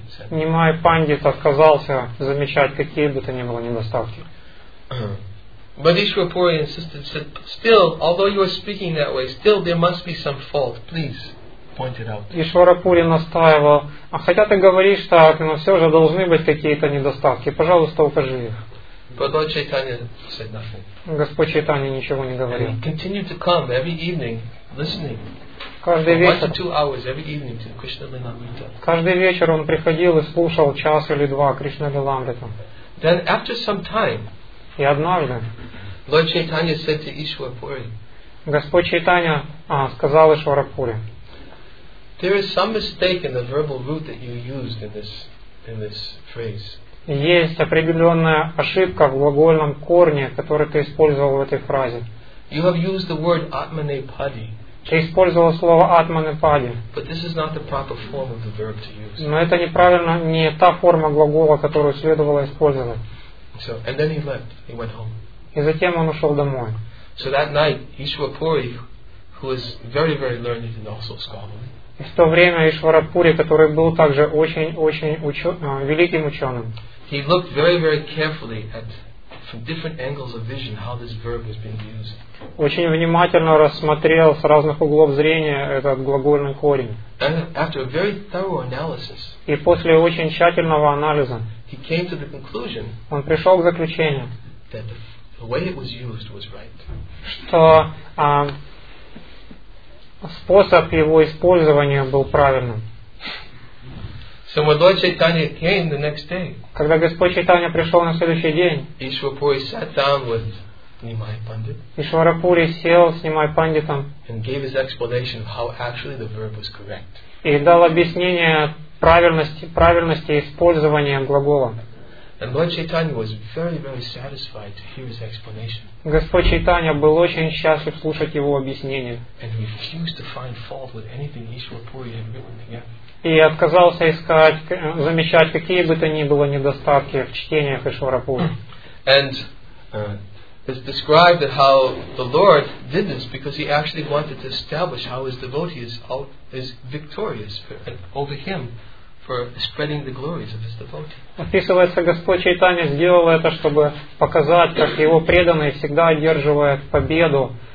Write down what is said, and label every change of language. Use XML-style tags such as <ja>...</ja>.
<ru>Нимай Пандит отказался замечать какие бы то ни было недостатки.</ru> <en>But Ishwar Puri insisted, said, still, although you are speaking that way, still there must be some fault. Please point it out.</en> <ru>Ishwara Puri настаивал, а хотя ты говоришь так, но все же должны быть какие-то недостатки. Пожалуйста, укажи их.</ru> <en>But Lord Chaitanya said nothing.</en> <ru>Господь Чайтанья ничего не говорил.</ru> <en>And he continued to come every evening, listening.</en> <ru>Каждый вечер.</ru> <en>One to 2 hours every evening to Krishna Lilamrita.</en> <ru>Каждый вечер он приходил и слушал час или два Кришна Лиламриту.</ru> <en>Then after some time,</en> <ru>и однажды</ru> <en>Lord Chaitanya said to Ishwar Puri,</en> <ru>Господь Чайтанья сказал Ишвара Пури,</ru> <en>there is some mistake in the verbal root that you used in this phrase.</en> <ru>Есть определенная ошибка в глагольном корне, который ты использовал в этой фразе.</ru> <en>You have used the word Atmanepadi.</en> <ru>Ты использовал слово Атманепади.</ru> <en>But this is not the proper form of the verb to use.</en> <ru>Но это неправильно, не та форма глагола, которую следовало использовать.</ru> <en>So, and then he left. He went home.</en> <ru>И затем он ушел домой.</ru> <en>So that night, Ishwar Puri, who was very, very learned and also scholarly.</en> <ru>И в то время Ishwar Puri, который был также очень-очень великим ученым.</ru> <en>He looked very, very carefully at from different angles of vision how this verb was being used.</en> <ru>Очень внимательно рассмотрел с разных углов зрения этот глагольный корень.</ru> <en>And after a very thorough analysis.</en> <ru>И после очень тщательного анализа.</ru> <en>He came to the conclusion.</en> <ru>Он пришел к заключению.</ru> <en>That the way it was used was right.</en> <ru>Что способ его использования был правильным.</ru> <en>So when Lord Chaitanya came the next day.</en> <ru>Когда Господь Чайтанья пришел на следующий день.</ru> <en>Ishwar Puri sat down with Nimai Pandit.</en> <ru>Ishwar Puri сел с Nimai Panditом.</ru> <en>And gave his explanation of how actually the verb was correct.</en> <ru>И дал объяснение правильности использования глагола.</ru> <en>And Lord Chaitanya was very, very satisfied to hear his explanation.</en> <ru>Господь Чайтанья был очень счастлив слушать его объяснение.</ru> <en>And he refused to find fault with anything Ishwara Puri had written together.</en> <ru>И отказался искать, замечать какие бы то ни было недостатки в чтениях Ишвара Пури.</ru> <en>And it's described that how the Lord did this because he actually wanted to establish how his devotee is victorious over him for spreading the glories of his devotee.</en> <ru>Описывается, Господь Чайтанья сделал это, чтобы показать, как его преданный всегда одерживает победу.</ru>